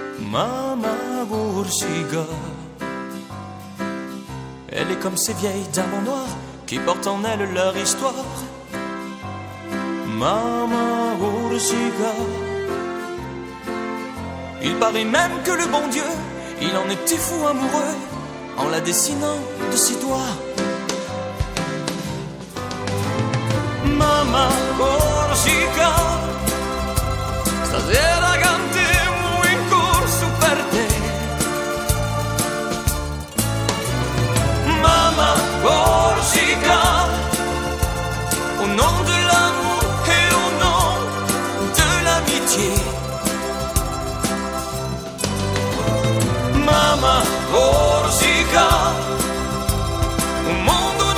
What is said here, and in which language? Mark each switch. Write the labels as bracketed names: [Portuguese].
[French] Mama Gorsica, elle est comme ces vieilles dames en noir qui portent en elles leur histoire. Mama Gorsica, il paraît même que le bon Dieu, il en était fou amoureux en la dessinant de ses doigts. [Corsican] Mama Gorsica, stasera cantemo in corso per te. [French] Mama Gorsica, au nom de l'amour et au nom de l'amitié. Mama Gorsica, au monde.